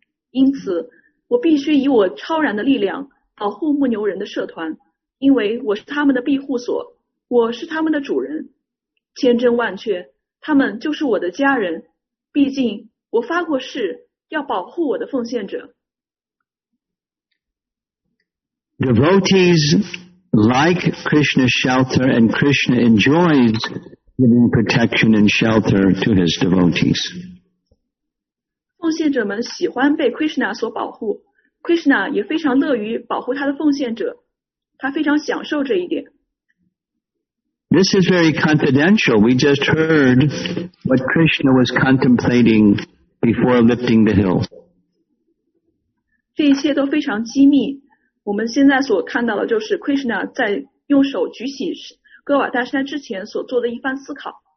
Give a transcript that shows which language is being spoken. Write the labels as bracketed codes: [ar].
[zh] 因此我必须以我超然的力量保护牧牛人的社团，因为我是他们的庇护所，我是他们的主人。千真万确，他们就是我的家人，毕竟我发过誓要保护我的奉献者。 [en] Devotees like Krishna's shelter and Krishna enjoys giving protection and shelter to his devotees. [zh] 奉献者们喜欢被 Krishna 所保护， Krishna 也非常乐于保护他的奉献者，他非常享受这一点。 [en] This is very confidential. We just heard what Krishna was contemplating before lifting the hill. [zh] 这一切都非常机密，我们现在所看到的就是 Krishna 在用手举起戈瓦大山之前所做的一番思考。